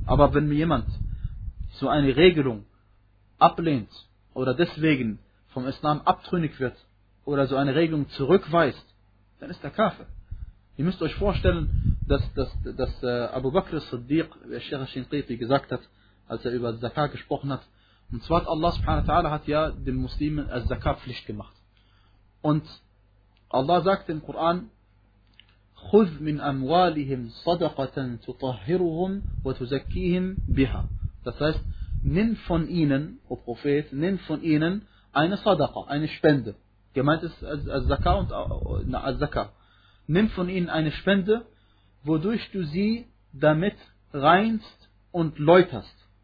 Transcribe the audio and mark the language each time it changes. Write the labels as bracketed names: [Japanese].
[German] Aber wenn mir jemand so eine Regelung ablehnt oder deswegen vom Islam abtrünnig wird oder so eine Regelung zurückweist, dann ist er Kafir. Ihr müsst euch vorstellen, dass Abu Bakr as-Siddiq, wie Sheikh Shinqiti gesagt hat, als er über Zakat gesprochen hat, und zwar Allah subhanahu wa ta'ala hat ja den Muslimen als Zakat-Pflicht gemacht. Und Allah sagt im Koran, [Arabic] خذ من أموالهم صدقة تطهرهم وتزكيهم بها. [German] Das heißt, nimm von ihnen, o Prophet, nimm von ihnen eine Sadaqa, eine Spende. Gemeint ist Az-Zakah und Az-Zakah. Nimm von ihnen eine Spende, wodurch du sie damit reinst und läuterst.